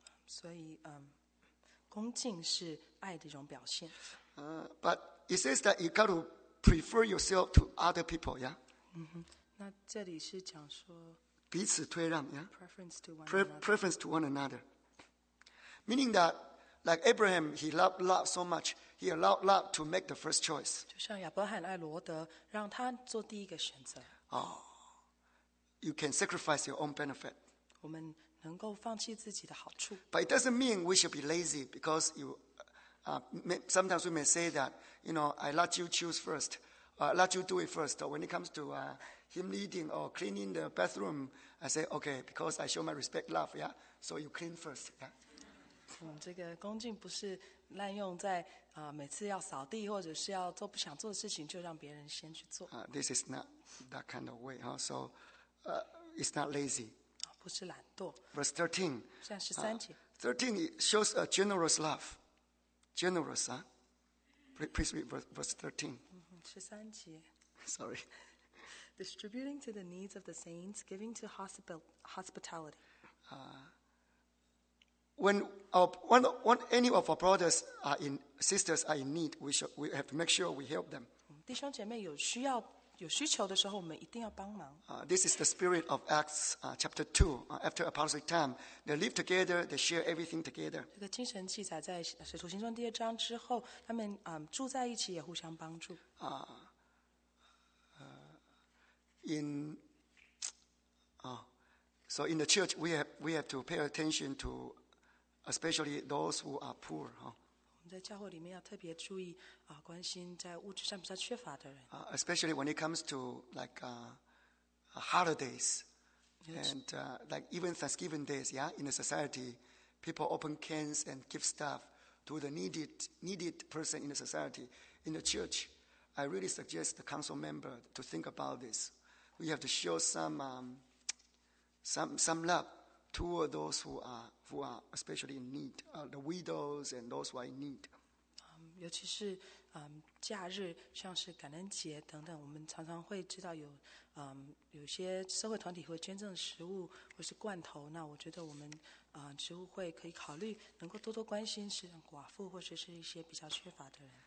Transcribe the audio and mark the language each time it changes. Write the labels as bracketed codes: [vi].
[zh] 所以，恭敬是爱的一种表现。 [en] But it says that you got to prefer yourself to other people, yeah. [zh] 那这里是讲说彼此推让 ，yeah. [en] Preference to one another. Preference to one another. Meaning that, like Abraham, he loved love so much, he allowed love to make the first choice. [zh] 就像亚伯罕爱罗德，让他做第一个选择。 [en] You can sacrifice your own benefit. [zh] 我们能够放弃自己的好处。 [en] But it doesn't mean we should be lazy because you, sometimes we may say that, you know, I let you choose first, let you do it first. When it comes to him leading or cleaning the bathroom, I say, okay, because I show my respect, love, yeah, so you clean first, yeah. [zh] 这个恭敬不是滥用在每次要扫地或者是要做不想做的事情就让别人先去做。 [en] This is not that kind of way, huh? So it's not lazy. [zh] 不是懒惰。 [en] Verse 13. [zh] 像十三节。 [en] 13 shows a generous love. Generous, huh? Please read verse 13. [zh] 十三节。 [en] Sorry. Distributing to the needs of the saints, giving to hospitality. When any of our brothers are in sisters are in need, we have to make sure we help them. [zh] 弟兄姐妹有需要。有需求的时候，我们一定要帮忙。 [en] This is the spirit of Acts chapter 2. After apostolic time, they live together, they share everything together. [zh] 这个精神记载在《使徒行传》第二章之后，他们住在一起，也互相帮助。 [en] So in the church, we have to pay attention to, especially those who are poor, huh? [zh] 在教会里面要特别注意关心在物质上比较缺乏的人。 [en] Especially when it comes to like holidays, And like even Thanksgiving days, yeah, in a society, people open cans and give stuff to the needed person in the society. In the church, I really suggest the council member to think about this. We have to show some love toward those who are especially in need, the widows and those who are in need. [zh] 尤其是 假日 像是感恩节 等等 我们常常会知道 有, 有些社会团体会捐赠食物 或是罐头 那我觉得我们 植物会可以考虑 能够多多关心是寡妇 或者是一些比较缺乏的人